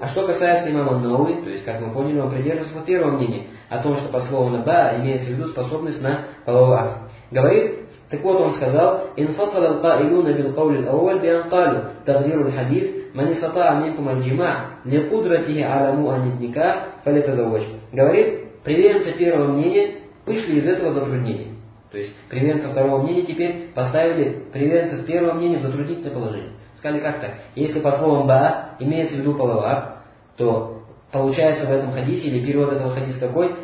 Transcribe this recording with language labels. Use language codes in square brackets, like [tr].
[ru] А что касается имама ан-Науи, то есть, как мы поняли, он придерживался первого мнения о том, что по слову «наба» имеется в виду способность на половой акт. Говорит, так вот он сказал, [ar] انْفَصَلَ الْقَائِلُونَ بِالْقَوْلِ الْأَوَّلِ بِأَنْ قَالُوا تَغْدِيرُ الْحَدِيثِ مَنْ يَسْتَطَعَ مِنْكُمَ الْجِمَاعَ لِقُدْرَتِهِ عَلَى مُؤَنِّ النِّكَاحِ فَلْيَتَزَوَّجْ. [ru] Говорит, приверженцы первого мнения вышли из этого затруднения. То есть приверженцы второго мнения теперь поставили приверженцев первого мнения в затруднительное положение. Сказали, как так? Если по словам «ба» имеется в виду половой акт, то получается в этом хадисе, или перевод этого хадиса какой?